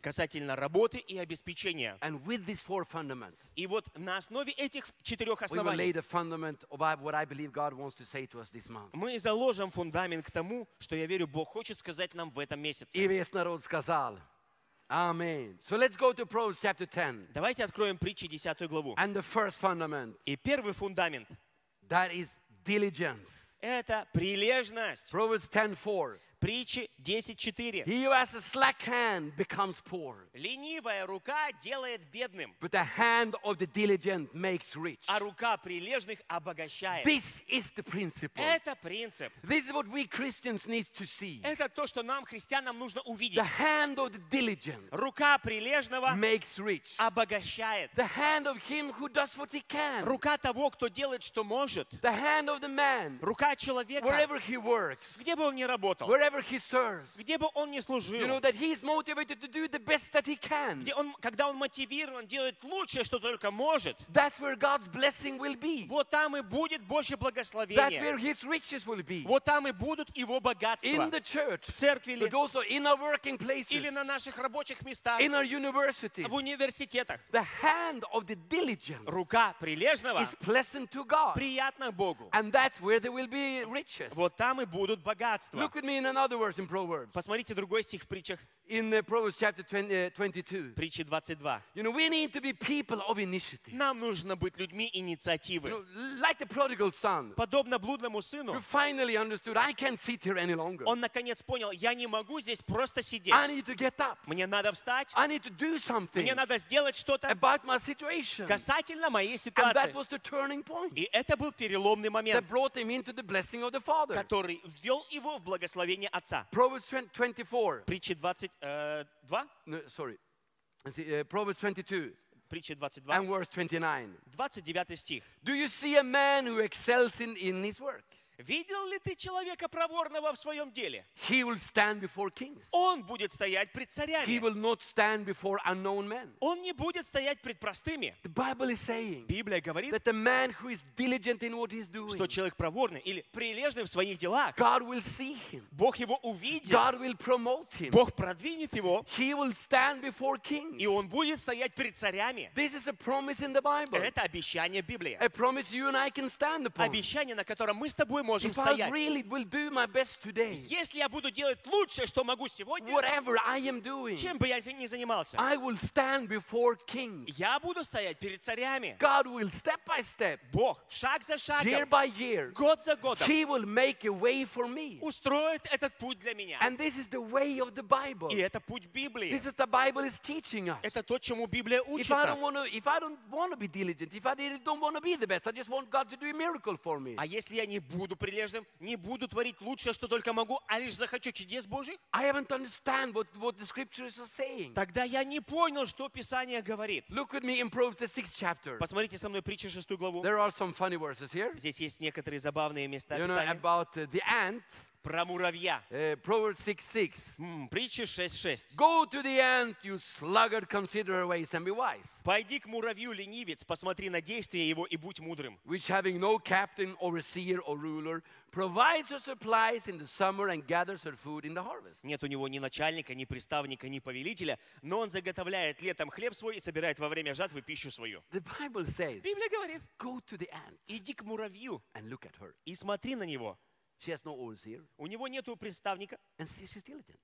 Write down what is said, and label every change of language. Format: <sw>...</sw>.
<ru>Касательно работы и обеспечения.</ru> <en>And with these four fundamentals.</en> <ru>И вот на основе этих 4 оснований.</ru> <en>We will lay the fundament of what I believe God wants to say to us this month.</en> <ru>Мы заложим фундамент к тому, что я верю, Бог хочет сказать нам в этом месяце. И весь народ сказал: Аминь.</ru> <en>So let's go to Proverbs chapter 10.</en> <ru>Давайте откроем Притчи 10 главу.</ru> <en>And the first fundament.</en> <ru>И первый фундамент.</ru> <en>That is diligence.</en> <ru>Это прилежность.</ru> <en>Proverbs 10:4.</en> <ru>Притчи 10:4.</ru> <en>He who has a slack hand becomes poor.</en> <ru>Ленивая рука делает бедным.</ru> <en>But the hand of the diligent makes rich.</en> <ru>А рука прилежных обогащает.</ru> <en>This is the principle.</en> <ru>Это принцип.</ru> <en>This is what we Christians need to see.</en> <ru>Это то, что нам христианам нужно увидеть.</ru> <en>The hand of the diligent.</en> <ru>Рука прилежного</ru> <en>makes rich.</en> <ru>Обогащает.</ru> <en>The hand of him who does what he can.</en> <ru>Рука того, кто делает, что может.</ru> <en>The hand of the man.</en> <ru>Рука человека.</ru> <en>Wherever he works.</en> <ru>Где бы он ни работал.</ru> <en>Wherever he serves,</en> <ru>где бы он ни служил,</ru> <en>you know that he is motivated to do the best that he can.</en> <ru>Где он, когда он мотивирован делать лучшее, что только может.</ru> <en>That's where God's blessing will be.</en> <ru>Вот там и будет Божье благословение.</ru> <en>That's where his riches will be.</en> <ru>Вот там и будут его богатства.</ru> <en>In the church,</en> <ru>в церкви,</ru> <en>but also in our working places,</en> <ru>или на наших рабочих местах,</ru> <en>in our universities,</en> <ru>в университетах.</ru> <en>The hand of the diligent,</en> <ru>рука прилежного,</ru> <en>is pleasant to God,</en> <ru>приятна Богу.</ru> <en>And that's where there will be riches.</en> <ru>Вот там и будут богатства.</ru> <en>Look at me. In another verse in Proverbs.</en> <ru>Посмотрите другой стих в притчах.</ru> <en>In Proverbs chapter 22.</en> <ru>Притчи 22.</ru> <en>You know, we need to be people of initiative.</en> <ru>Нам нужно быть людьми инициативы.</ru> <en>You know, like the prodigal son.</en> <ru>Подобно блудному сыну.</ru> <en>Who finally understood, I can't sit here any longer.</en> <ru>Он наконец понял, я не могу здесь просто сидеть.</ru> <en>I need to get up.</en> <ru>Мне надо встать.</ru> <en>I need to do something.</en> <ru>Мне надо сделать что-то.</ru> <en>About my situation.</en> <ru>Касательно моей ситуации.</ru> <en>And that was the turning point.</en> <ru>И это был переломный момент.</ru> <en>That brought him into the blessing of the Father.</en> <ru>Который ввел его в благословение Отца.</ru> <en>Proverbs 24.</en> <ru>Притчи 22.</ru> <en>No, sorry. Proverbs 22.</en> <ru>Притчи 22.</ru> <en>And verse 29.</en> <ru>29 стих.</ru> <en>Do you see a man who excels in his work?</en> <ru>Видел ли ты человека проворного в своем деле?</ru> <en>He will stand before kings.</en> <ru>Он будет стоять пред царями.</ru> <en>He will not stand before unknown men.</en> <ru>Он не будет стоять пред простыми.</ru> <en>The Bible is saying,</en> <ru>Библия говорит,</ru> <en>that the man who is diligent in what he's doing,</en> <ru>что человек проворный или прилежный в своих делах,</ru> <en>God will see him.</en> <ru>Бог его увидит.</ru> <en>God will promote him.</en> <ru>Бог продвинет его.</ru> <en>He will stand before kings.</en> <ru>И он будет стоять пред царями.</ru> <en>This is a promise in the Bible.</en> <ru>Это обещание Библии.</ru> <en>A promise you and I can stand upon.</en> <ru>Обещание, на котором мы с тобой можем</ru> <en>If</en> <ru>стоять.</ru> <en>I really will do my best today,</en> <ru>если я буду делать лучшее, что могу сегодня,</ru> <en>whatever I am doing,</en> <ru>чем бы я ни занимался,</ru> <en>I will stand before kings.</en> <ru>Я буду стоять перед царями.</ru> <en>God will step by step,</en> <ru>Бог шаг за шагом,</ru> <en>year by year,</en> <ru>год за годом,</ru> <en>He will make a way for me,</en> <ru>устроит этот путь для меня.</ru> <en>And this is the way of the Bible.</en> <ru>И это путь Библии.</ru> <en>This is the Bible is teaching us.</en> <ru>Это то, чему Библия учит нас.</ru> <en>If I don't want to be diligent, if I don't want to be the best, I just want God to do a miracle for me.</en> <ru>А если я не буду прилежным, не буду творить лучшее, что только могу, а лишь захочу чудес Божьих,</ru> <en>I haven't understand what the scriptures are saying.</en> <ru>Тогда я не понял, что Писание говорит.</ru> <en>Look with me in Proverbs the 6th chapter.</en> <ru>Посмотрите со мной притчи 6 главу.</ru> <en>There are some funny verses here.</en> <ru>Здесь есть некоторые забавные места Писания.</ru> <en>You know, about the ant.</en> <ru>Про муравья.</ru> <en>Proverbs 6:6.</en> <ru>Притчи 6:6.</ru> <en>Go to the ant, you sluggard, consider her ways and be wise.</en> <ru>Пойди к муравью, ленивец, посмотри на действия его и будь мудрым.</ru> <en>Which having no captain, overseer, or ruler, provides her supplies in the summer and gathers her food in the harvest.</en> <ru>Нет у него ни начальника, ни приставника, ни повелителя, но он заготовляет летом хлеб свой и собирает во время жатвы пищу свою.</ru> <en>The Bible says.</en> <ru>Библия говорит.</ru> <en>Go to the ant.</en> <ru>Иди к муравью.</ru> <en>And look at her.</en> <ru>И смотри на него.</ru> <en>She has no overseer.</en> <ru>У него нету приставника.</ru> <en>And she's diligent.</en>